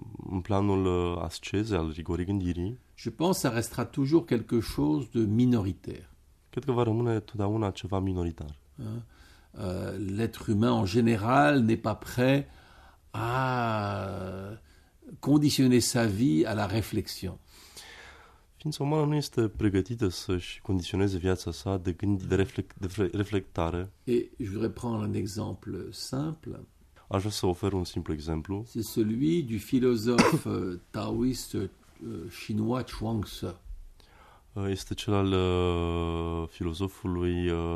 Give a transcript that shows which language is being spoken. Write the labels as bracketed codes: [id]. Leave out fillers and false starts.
[ro] în planul ascezei, al rigorii gândirii, [fr] je pense ça restera toujours quelque chose de minoritaire. [ro] Cred că va rămâne totdeauna ceva minoritar. [fr] L'être humain en général n'est pas prêt à conditionner sa vie à la réflexion. [ro] Ființa umană nu este pregătită să-și condiționeze viața sa de gândi, de reflectare. [fr] Et je voudrais prendre un exemple simple. [ro] Aș vrea să ofer un simplu exemplu. [fr] C'est celui du philosophe taoïste chinois Chuang Tzu. [ro] Este cel al filozofului